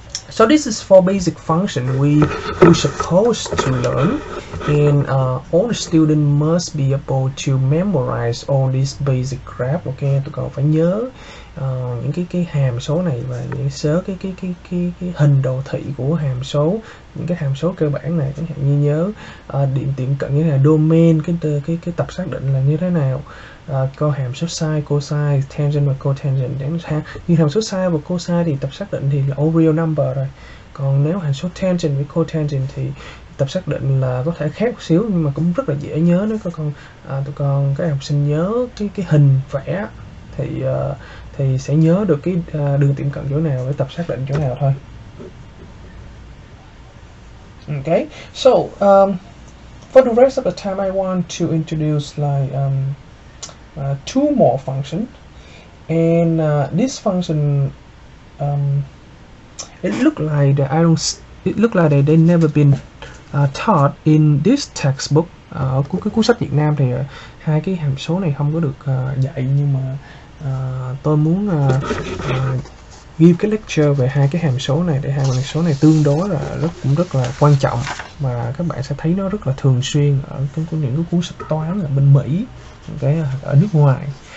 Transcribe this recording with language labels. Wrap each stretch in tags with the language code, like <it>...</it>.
<en>So this is for basic function we supposed to learn, and all student must be able to memorize all these basic graph.</en> <vi>Okay, tụi con phải nhớ những cái hàm số này và những số cái hình đồ thị của hàm số, những cái hàm số cơ bản này, chẳng hạn như nhớ điểm tiệm cận như là domain, cái tập xác định là như thế nào. Có hàm số sine, cosine, tangent và cotangent. Như hàm số sine và cosine thì tập xác định thì là all real number rồi. Còn nếu hàm số tangent với cotangent thì tập xác định là có thể khác một xíu, nhưng mà cũng rất là dễ nhớ. Nếu các con tụi con các em học sinh nhớ cái hình vẽ thì sẽ nhớ được cái đường tiệm cận chỗ nào với tập xác định chỗ nào thôi.</vi> <en>Okay, so for the rest of the time I want to introduce like two more function, and this function it look like they never been taught in this textbook.</en> <vi>Của cái cuốn sách Việt Nam thì hai cái hàm số này không có được dạy, nhưng mà tôi muốn give cái lecture về hai cái hàm số này, để hai hàm số này tương đối là rất là quan trọng, mà các bạn sẽ thấy nó rất là thường xuyên ở những cái cuốn sách toán ở bên Mỹ, cái ở nước ngoài.</vi>